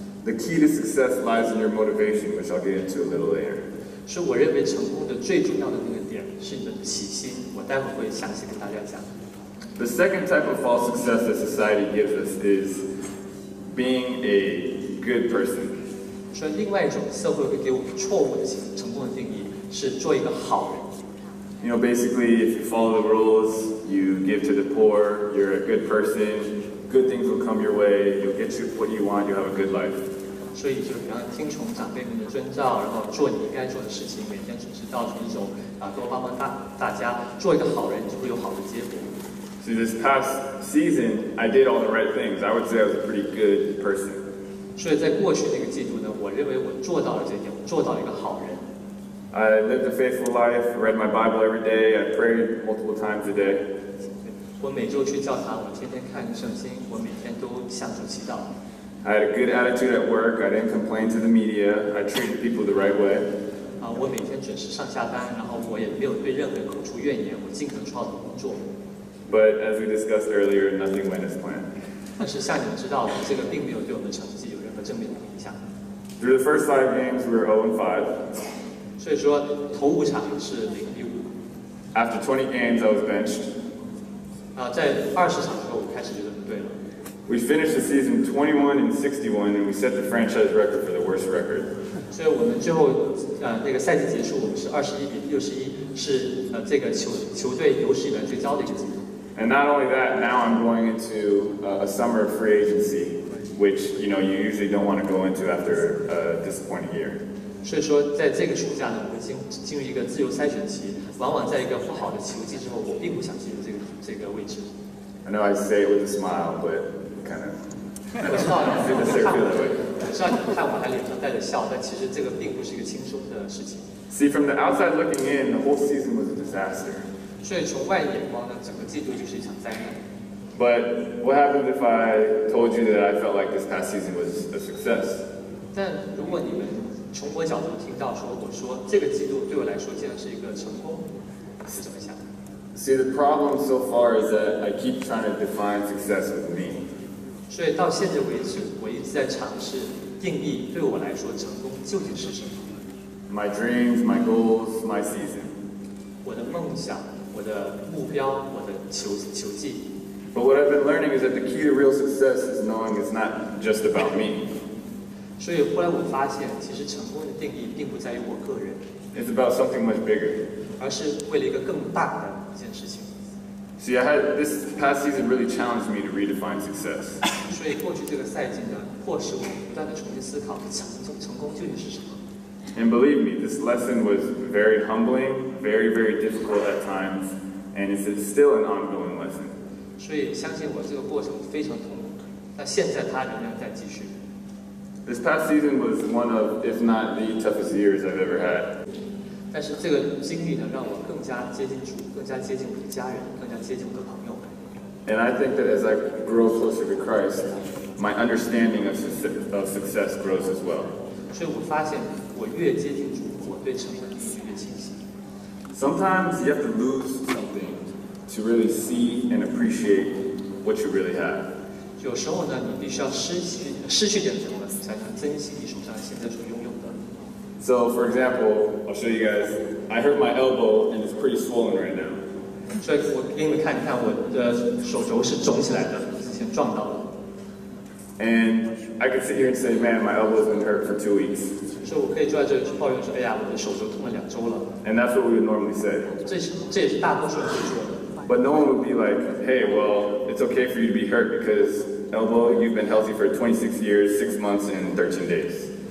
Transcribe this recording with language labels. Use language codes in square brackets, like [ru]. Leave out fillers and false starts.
[en] The key to success lies in your motivation, which I'll get into a little later. [zh] 是我认为成功的最重要的那个点是你的起心，我待会会详细跟大家讲。 [en] The second type of false success that society gives us is being a good person. [zh] 所以另外一种社会会给我们错误的成功的定义是做一个好人。 [en] You know, basically, if you follow the rules, you give to the poor, you're a good person, good things will come your way, you'll get you what you want, you'll have a good life. [zh] 所以就比方听从长辈们的遵照，然后做你应该做的事情，每天准时到处走，啊，多帮帮大家，做一个好人，就会有好的结果。 [en] So this past season, I did all the right things. I would say I was a pretty good person. [zh] 所以在过去那个季度呢，我认为我做到了这点，我做到了一个好人。 [en] I lived a faithful life, read my Bible every day, I prayed multiple times a day. [zh] 我每周去教堂，我天天看圣经，我每天都向主祈祷。 [en] I had a good attitude at work, I didn't complain to the media, I treated people the right way. [zh] 我每天准时上下班，然后我也没有对任何人口出怨言，我尽可能做好的工作。 [en] But as we discussed earlier, nothing went as planned. [zh] 但是像你们知道的，这个并没有对我们成绩有任何正面的影响。 [en] Through the first five games, we were 0-5. [zh] 所以说头五场是零比五。 [en] After 20 games, I was benched. [zh] 在二十场之后，我开始觉得不对了。 [en] We finished the season 21-61, and we set the franchise record for the worst record. [zh] 所以我们最后，那个赛季结束，我们是21-61，是这个球队有史以来最糟的一个季度。 [en] And not only that, now I'm going into a summer of free agency, which you know you usually don't want to go into after a disappointing year. [zh] 所以说，在这个暑假呢，我进入一个自由筛选期。往往在一个不好的球季之后，我并不想进入这个位置。 [en] I know I say it with a smile, but kind of. [zh] 我知道你看我的脸上带着笑，但其实这个并不是一个轻松的事情。 [en] See from the outside looking in, the whole season was a disaster. [zh] 所以从外眼光呢，整个季度就是一场灾难。 [en] But what happens if I told you that I felt like this past season was a success? [zh] 但如果你们从我角度听到说，我说这个季度对我来说竟然是一个成功，是怎么想的 [en] ？See the problem so far is that I keep trying to define success with me. [zh] 所以到现在为止，我一直在尝试定义对我来说成功究竟是什么。 [en] My dreams, my goals, my season. [zh] 我的梦想，我的目标，我的球技。 [en] But what I've been learning is that the key to real success is knowing it's not just about me. [zh] 所以后来我发现，其实成功的定义并不在于我个人 [en] ，It's about something much bigger， [zh] 而是为了一个更大的一件事情。 [en] See, I had this past season really challenged me to redefine success。 [zh] 所以过去这个赛季呢，迫使我不断的重新思考成功究竟是什么。 [en] And believe me, this lesson was very humbling, very very difficult at times, and it's still an ongoing lesson。 [zh] 所以相信我，这个过程非常痛苦，但现在它仍然在继续。 [en] This past season was one of, if not the toughest years I've ever had. [zh] 但是这个经历呢，让我更加接近主，更加接近我的家人，更加接近我的朋友。 [en] And I think that as I grow closer to Christ, my understanding of success grows as well. [zh] 所以我发现，我越接近主，我对成功的定义越清晰。 [en] Sometimes you have to lose something to really see and appreciate what you really have. [zh] 有时候呢，你必须要失去点什么，才能珍惜你手上现在所拥有的。 [en] So for example, I'll show you guys. I hurt my elbow and it's pretty swollen right now. [zh] 所以我给你们看一看，我的手肘是肿起来的，之前撞到了。 [en] And I could sit here and say, man, my elbow's been hurt for 2 weeks. [zh] 所以我可以坐在这里抱怨说，哎呀，我的手肘痛了两周了。 [en] And that's what we would normally say. [zh] 这也是大多数人会说的。 [en] But no one would be like, hey, well, it's okay for you to be hurt because elbow, you've been healthy for 26 years, 6 months, and 13 days.